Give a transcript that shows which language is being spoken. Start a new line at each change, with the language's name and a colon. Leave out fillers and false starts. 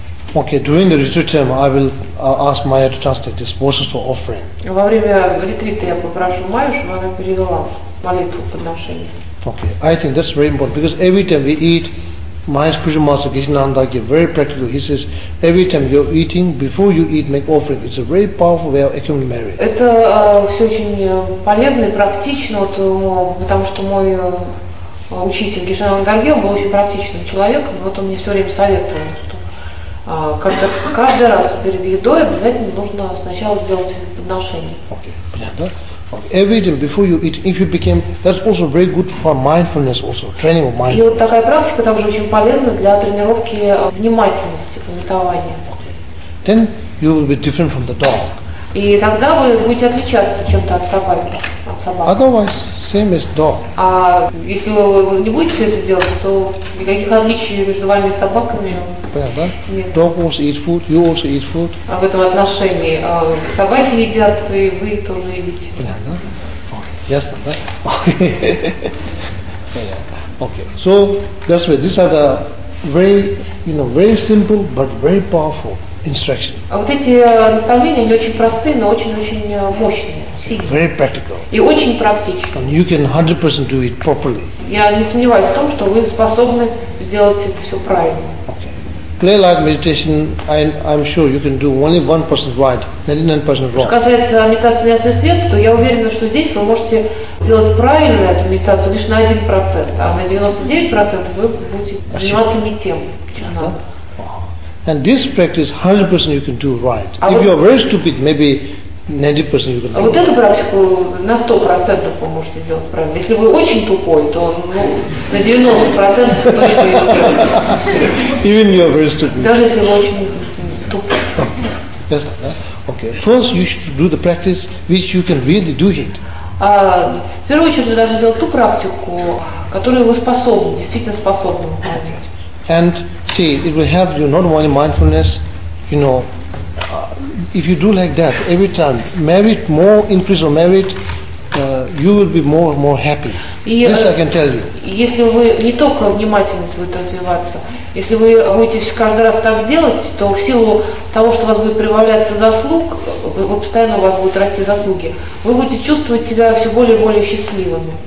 English: Okay, during the retreat term, I will ask Maya to translate this verses for offering.
Russian: Во время ретрита я попрошу Майю, чтобы она перевела молитву подношения.
English: Okay, I think that's very important because every time we eat, Maya's spiritual master Gishinanda gave very practical. He says every time you're eating, before you eat, make offering. It's a very powerful way of accumulating merit.
Russian: Это все очень полезно и практично, потому что мой учитель Гишинанда был очень практичным человеком, вот он мне все время советовал, что каждый раз перед едой обязательно нужно сначала сделать подношение. Okay, понятно.
English: Every day before you eat, if you became, that's also very good for mindfulness, also training of mind.
Russian: И вот такая практика также очень полезна для тренировки внимательности, медитования.
English: Then you will be different from the dog.
Russian: И тогда вы будете отличаться чем-то от собаки,
English: Otherwise, same as dog.
Russian: А если вы не будете все это делать, то никаких отличий между вами и собаками. Понятно? Нет.
English: Dog also eat food, you also eat food.
Russian: А в этом отношении собаки едят, и вы тоже едите. Понятно? Okay. Ясно, да? Okay.
English: So that's why these are the very, you know, very simple but very powerful instructions.
Russian: А вот эти наставления они очень простые, но очень-очень мощные.
English: Very practical.
Russian: И очень практично.
English: And you can 100% do it properly.
Russian: Я не сомневаюсь в том, что вы способны сделать это все правильно.
English: Clear light meditation, I'm sure you can do only 1% right, 99% wrong.
Russian: Что касается медитации на ясный свет, то я уверена, что здесь вы можете сделать правильно эту медитацию лишь на 1%, а на 99% вы будете заниматься не тем, чем надо.
English: And this practice 100% you can do right. If you are very stupid, maybe 90% you can do.
Russian: А вот эту практику на 100% вы можете сделать правильно. Если вы очень тупой, то на 90% вы можете сделать правильно. Даже если вы очень тупой.
English: Yes, okay. First you should do the practice which you can really do it.
Russian: В первую очередь вы должны делать ту практику, которую вы способны, действительно способны выполнить.
English: And see, it will help you not only mindfulness, you know. If you do like that every time, merit more, increase of merit, you will be more and more happy. This I can tell you.
Russian: Если вы не только внимательность будет развиваться, если вы будете каждый раз так делать, то в силу того, что у вас будет прибавляться заслуг, вы постоянно у вас будут расти заслуги, вы будете чувствовать себя все более и более счастливыми.